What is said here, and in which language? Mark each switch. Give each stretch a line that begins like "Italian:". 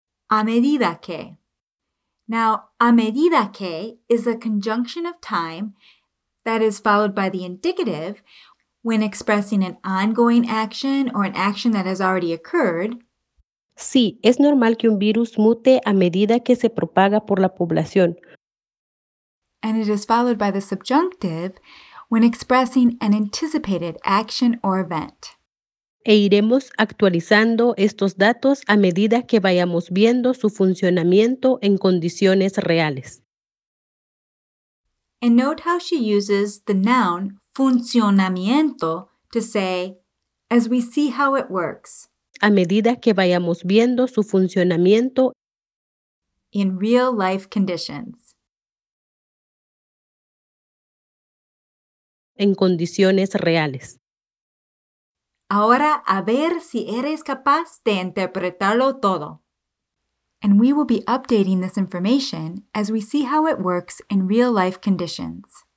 English: A medida que. Now, a medida que is a conjunction of time that is followed by the indicative when expressing an ongoing action or an action that has already occurred.
Spanish: Sí, es normal que un virus mute a medida que se propaga por la población.
English: And it is followed by the subjunctive when expressing an anticipated action or event.
Spanish: E iremos actualizando estos datos a medida que vayamos viendo su funcionamiento en condiciones reales.
English: And note how she uses the noun funcionamiento to say, as we see how it works.
Spanish: A medida que vayamos viendo su funcionamiento
English: in real life conditions.
Spanish: En condiciones reales. Ahora, a ver si eres capaz de interpretarlo todo.
English: And we will be updating this information as we see how it works in real life conditions.